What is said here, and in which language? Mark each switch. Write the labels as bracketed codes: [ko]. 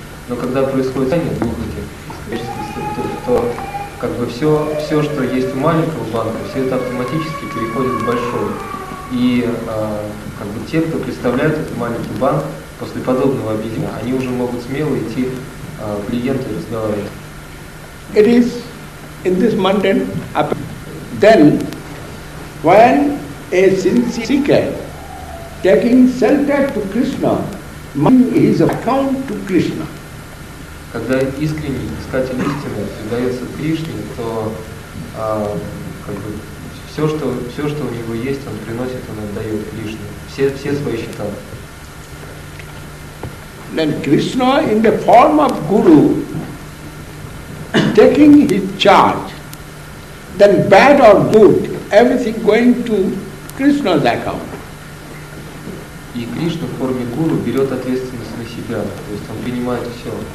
[ru] Но когда происходит слияние двух этих структур, то как бы все, что есть у маленького банка, все это автоматически переходит в большой. И как бы те, кто представляет этот маленький банк, после подобного объединения, они уже могут смело идти к клиенту и разговаривать. [en] It is in this mountain. Then, when a sincere seeker taking shelter to Krishna, his account to Krishna. [ru] Когда искренний искатель истины предается Кришне, то как бы, все, что у него есть, он приносит, он отдает Кришне. Все свои счета. [en] Then Krishna in the form of Guru taking his charge, then bad or good, everything going to Krishna's account. [ru] И Кришна в форме Гуру берет ответственность на себя, то есть он принимает все.